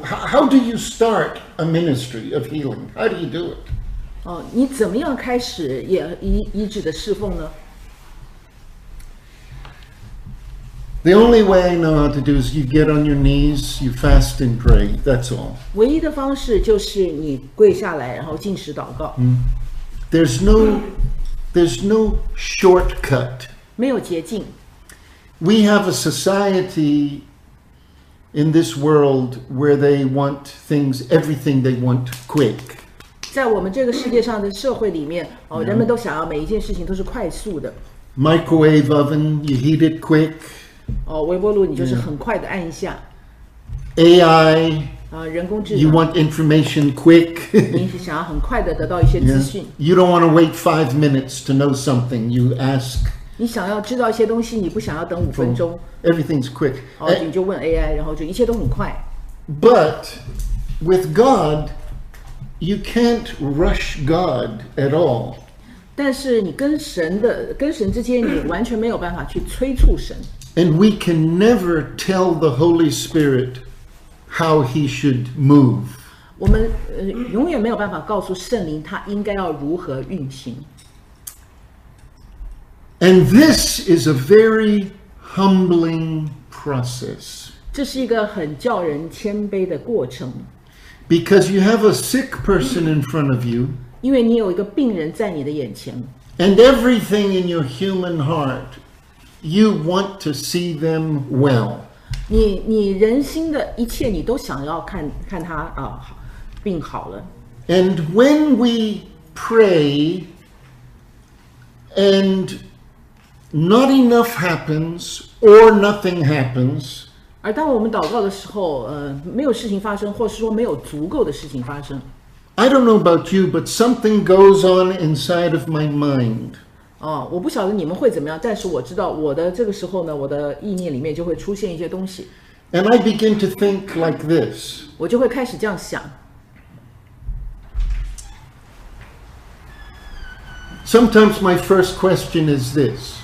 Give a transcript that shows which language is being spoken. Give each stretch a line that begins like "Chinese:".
English: How do you start a ministry of healing? How do you do it?
Chinese: 你怎么样开始医治的侍奉呢？
English: The only way I know how to do is you get on your knees, you fast and pray. That's all.
Chinese: 唯一的方式就是你跪下来，然后禁食祷告。
English: There's no shortcut.
Chinese: 没有捷径。
English: We have a society... In this world where they want things, everything they want quick.
Chinese: 在我们这个世界上的社会里面，人们都想要每一件事情都是快速的。
English: Microwave oven, you heat it quick.
Chinese: 微波炉你就是很快的按一下。
English: AI,
Chinese: 人工智能。
English: You want information quick.
Chinese: 你想要很快的得到一些资讯。
English: You don't want to wait 5 minutes to know something. You ask.
Chinese: 你想要知道一些东西，你不想要等五分钟。
English: Everything's quick.
Chinese: 你就问 AI， 然后就一切都很快。
English: But with God, you can't rush God at all.
Chinese: 但是你跟神之间，你完全没有办法去催促神。
English: And we can never tell the Holy Spirit how he should move.
Chinese: 我们永远没有办法告诉圣灵他应该要如何运行。
English: And this is a very humbling process.
Chinese: 这是一个很叫人谦卑的过程。
English: Because you have a sick person in front of you.
Chinese: 因为你有一个病人在你的眼前。
English: And everything in your human heart, you want to see them well.
Chinese: 你人心的一切你都想要看他病好了。
English: And when we pray and... Not enough happens, or nothing happens.
Chinese: 而当我们祷告的时候，没有事情发生，或是说没有足够的事情发生。
English: I don't know about you, but something goes on inside of my mind.
Chinese: 我不晓得你们会怎么样，但是我知道我的这个时候呢，我的意念里面就会出现一些东西。
English: And I begin to think like this.
Chinese: 我就会开始这样想。
English: Sometimes my first question is this.